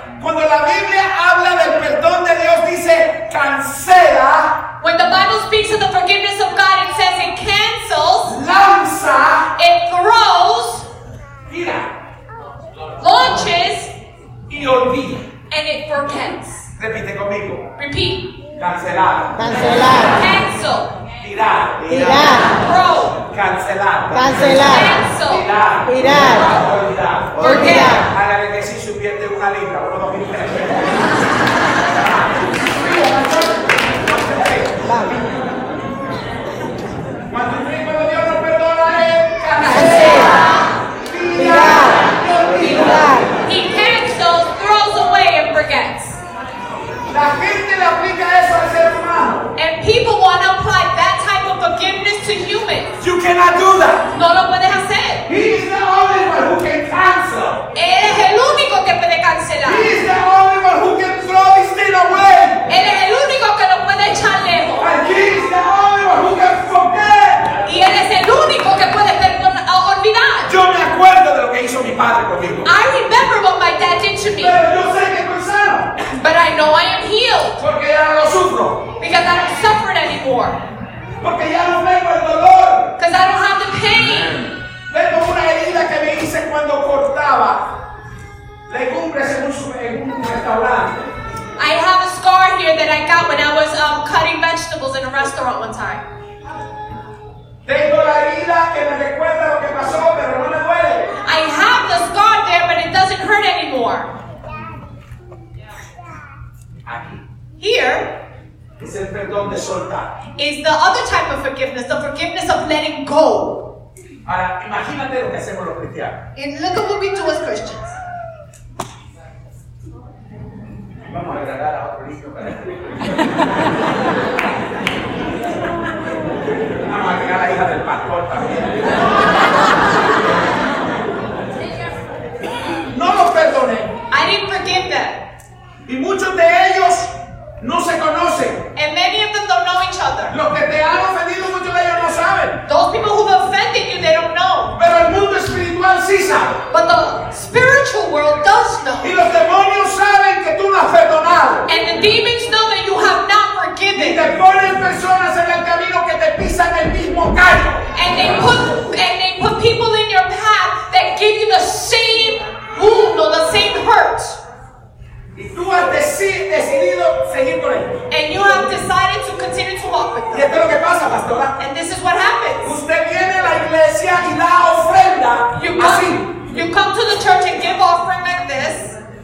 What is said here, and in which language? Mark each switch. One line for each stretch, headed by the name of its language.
Spanish: Cuando la Biblia habla del perdón de Dios, dice cancela.
English: When the Bible speaks of the forgiveness of God, it says it cancels.
Spanish: Lanza,
English: it throws.
Spanish: Mira,
English: launches.
Spanish: Y olvida.
English: And it forgets.
Spanish: Repite conmigo.
English: Repeat.
Spanish: Cancelar. Cancelar.
English: Cancel.
Spanish: Tirar.
English: Throw.
Spanish: Cancelar. Cancelar.
English: Cancel.
Spanish: Tirar. Olvidar.
English: Forget.
Spanish: Hágale que si se pierde una libra, uno dos mil pesos. Cuando un hijo de Dios no perdona, cancelar. Tirar.
English: He cancels, throws away, and forgets.
Spanish: La gente le aplica eso al ser humano.
English: And people want to apply that type of forgiveness to humans. You cannot do that.
Spanish: No lo puedes hacer.
English: He is the only one who can cancel.
Spanish: Él es el único que puede cancelar.
English: He is the only one who can throw this thing away.
Spanish: Él es el único que lo puede echar lejos.
English: And he is the only one who can forget.
Spanish: Y él es el único que puede olvidar. Yo me acuerdo de lo que hizo mi padre conmigo.
English: I remember what my dad did to me.
Spanish: Pero yo sé que estoy sano.
English: But I know I am healed.
Spanish: Porque ya no sufro.
English: Because I don't suffer anymore.
Spanish: Porque ya no tengo el dolor.
English: Because I don't have the pain.
Spanish: Tengo una herida que me hice cuando cortaba legumbres en un restaurante.
English: I have a scar here that I got when I was cutting vegetables in a restaurant one time.
Spanish: Tengo la herida que me recuerda lo que pasó, pero no me duele.
English: I have the scar there, but it doesn't hurt anymore. Here
Spanish: es el perdón de soltar.
English: Is the other type of forgiveness, the forgiveness of letting go.
Spanish: Ahora, imagínate lo que hacemos los cristianos.
English: And look at what we do as Christians.
Spanish: Vamos a agregar a otro niño para este niño. Vamos a agregar a la hija del pastor también. No los perdoné.
English: I didn't forgive them.
Spanish: Y muchos de ellos no se conocen.
English: And many of them don't know each other.
Spanish: Los que te han ofendido, muchos de ellos no saben.
English: Those people who've offended you, they don't know.
Spanish: Pero el mundo espiritual sí sabe.
English: But the spiritual world does know.
Spanish: Y los demonios saben que tú no has perdonado.
English: And the demons know that you have not forgiven.
Spanish: Y te ponen personas en el camino que te pisan el mismo callo.
English: And they put people in your path that give you the same wound or the same hurt.
Spanish: Y tú has decidido seguir con ellos.
English: And you have decided to continue to walk with them.
Spanish: Y esto es lo que pasa, pastora.
English: And this is what happens.
Spanish: Usted viene a la iglesia y da ofrenda.
English: You come to the church and give offering like this.